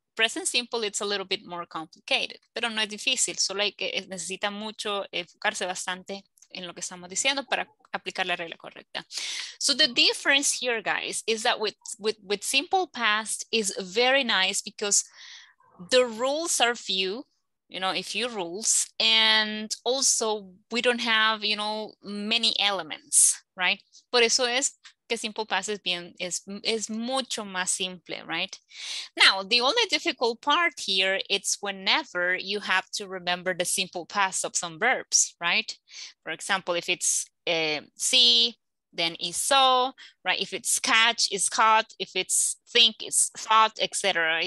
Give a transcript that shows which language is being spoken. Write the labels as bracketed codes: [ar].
[en] present simple, it's a little bit more complicated, [es] pero no es difícil, solo hay que, necesita mucho enfocarse bastante en lo que estamos diciendo para aplicar la regla correcta. [en] So the difference here, guys, is that with simple past is very nice because the rules are few, you know, a few rules, and also we don't have, you know, many elements, right? [es] Por eso es que simple past es bien, es mucho más simple, right? [en] Now, the only difficult part here, it's whenever you have to remember the simple past of some verbs, right? For example, if it's see, then is saw, right? If it's catch, is caught. If it's think, is thought, etc.